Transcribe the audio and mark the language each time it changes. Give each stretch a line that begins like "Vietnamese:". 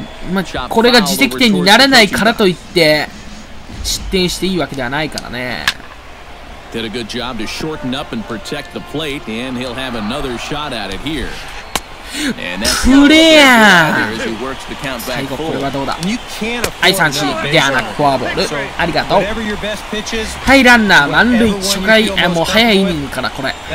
Japanese: まあ、これが自責点にならないからといって、失点していいわけではないからね。
English: Did a good job to shorten up and protect the plate, and he'll have another shot at it here.
Japanese: プレーヤー最後これはどうだ、はい、三振ではなくフォアボール、ありがとう。はい、ランナー満塁、初回もう早いイニングからこれ。